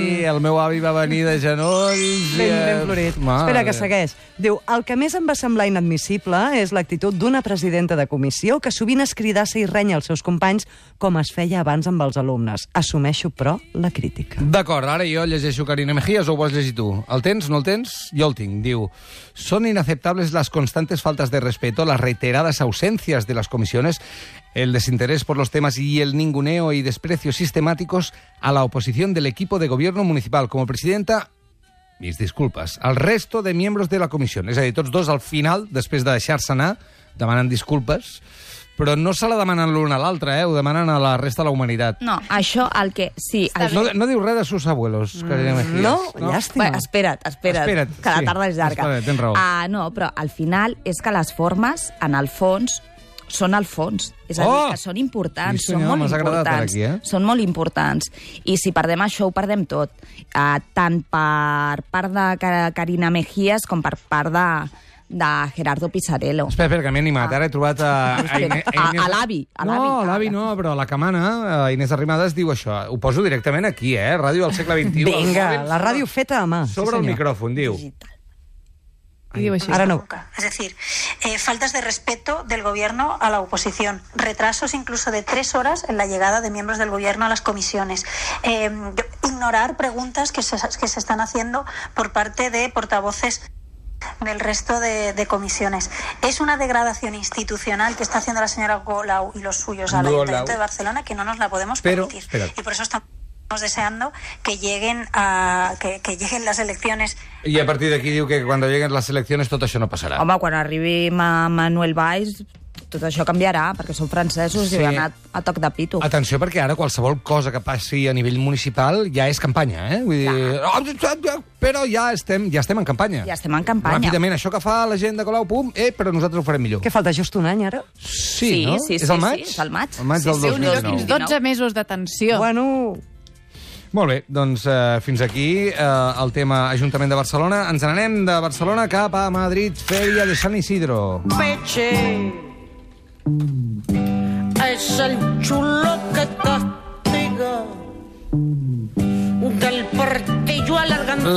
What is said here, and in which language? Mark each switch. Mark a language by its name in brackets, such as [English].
[Catalan] Sí, el meu avi va venir de genolls... Ben florit. Mare. Espera, que segueix. Diu: el que més em va semblar inadmissible és l'actitud d'una presidenta de comissió que sovint es cridassa i renya els seus companys com es feia abans amb els alumnes. Assumeixo, però, la crítica. D'acord, ara jo llegeixo Karina Mejías o ho vols llegir tu? El tens, no el tens? Jo el tinc. [Spanish] Diu: son inaceptables las constantes faltas de respeto, las reiteradas ausencias de las comisiones, el desinterés por los temas y el ninguneo y desprecio sistemáticos a la oposición del equipo de gobierno municipal. Como presidenta, mis disculpas al resto de miembros de la comisión. [Catalan] És a dir, tots dos al final, després de deixar-se anar, demanen disculpes, però no se la demanen l'un a l'altre, ho demanen a la resta de la humanitat. No, això el que... Sí, no diu res de [Spanish] sus abuelos, [Catalan] Karina Mejías. No? Llàstima. Bé, espera't, que sí. La tarda és llarga. Espera't, tens raó. No, però al final és que les formes, en el fons, són al fons. És a dir, que són importants, senyor, són molt importants. Aquí, Són molt importants. I si perdem això, ho perdem tot. Tant per part de Karina Mejías com per part de Gerardo Pisarello. Espera, que m'he animat. Ara he trobat a l'avi, però la Camana, Inés Arrimadas, diu això. Ho poso directament aquí, Ràdio del Segle XXI. Vinga, la ràdio feta a mà. Sobre sí, el micròfon, diu. Digital. I diu així. Ara no. És a dir, faltes [Spanish] de respeto del gobierno a la oposición. Retrasos incluso de 3 horas en la llegada de miembros del gobierno a las comisiones. Ignorar preguntas que se están haciendo por parte de portavoces del resto de comisiones. Es una degradación institucional que está haciendo la señora Golau y los suyos al Ayuntamiento de Barcelona, que no nos la podemos permitir. Espera. Y por eso estamos deseando que lleguen que lleguen las elecciones. [Catalan] I a partir d'aquí diu que quan lleguen les eleccions tot això no passarà. Home, quan arribi Manuel Valls tot això canviarà, perquè són francesos i han anat a toc de pito. Atenció, perquè ara qualsevol cosa que passi a nivell municipal ja és campanya, Vull dir, però ja estem en campanya. Ja estem en campanya. Ràpidament, això que fa la gent de Colau, pum, però nosaltres ho farem millor. Que falta just un any, ara? Sí, no? Sí, és el maig? Sí, és el maig. El maig del 2019. Sí, 12 mesos de tensió. Bueno... Molt bé, doncs fins aquí el tema Ajuntament de Barcelona. Ens n'anem de Barcelona cap a Madrid, Feria de San Isidro. [Spanish] Peche es el chulo que castiga del partillo alargando.